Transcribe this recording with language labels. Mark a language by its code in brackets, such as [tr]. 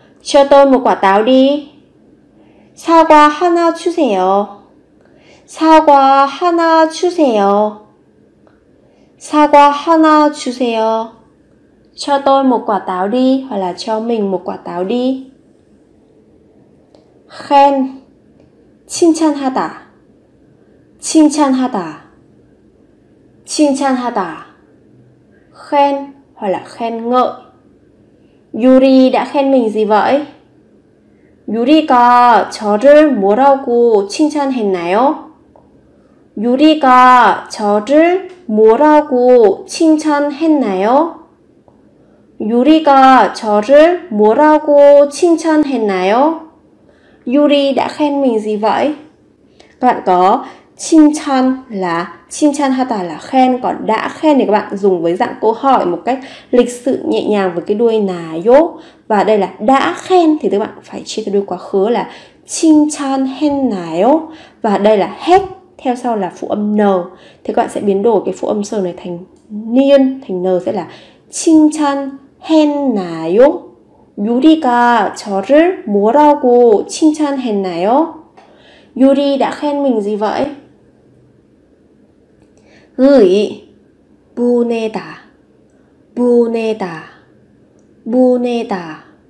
[vi] Cho tôi một quả táo đi. [ko] 사과 하나 주세요. 사과 하나 주세요. 사과 하나 주세요. [vi] Cho tôi một quả táo đi, hoặc là cho mình một quả táo đi. [ko] 칭찬 칭찬하다 칭찬하다 칭찬하다 [vi] khen hoặc là khen ngợi. Yuri đã khen mình gì vậy? [ko] Yuri가 저를 뭐라고 칭찬했나요? Yuri가 저를 뭐라고 칭찬했나요? Yuri가 저를 뭐라고 칭찬했나요? [vi] Yuri đã khen mình gì vậy? Các bạn có 칭찬 là 칭찬하다 là khen, còn đã khen thì các bạn dùng với dạng câu hỏi một cách lịch sự nhẹ nhàng với cái đuôi 나요. Và đây là đã khen thì các bạn phải chia theo đuôi quá khứ là 칭찬했나요. Và đây là hết theo sau là phụ âm n, thì các bạn sẽ biến đổi cái phụ âm s này thành niên, thành n sẽ là 칭찬했나요. [ko] Yuri가 저를 뭐라고 칭찬했나요? [vi] Yuri đã khen mình gì vậy? [ko] Gửi 보내다 보내다 보내다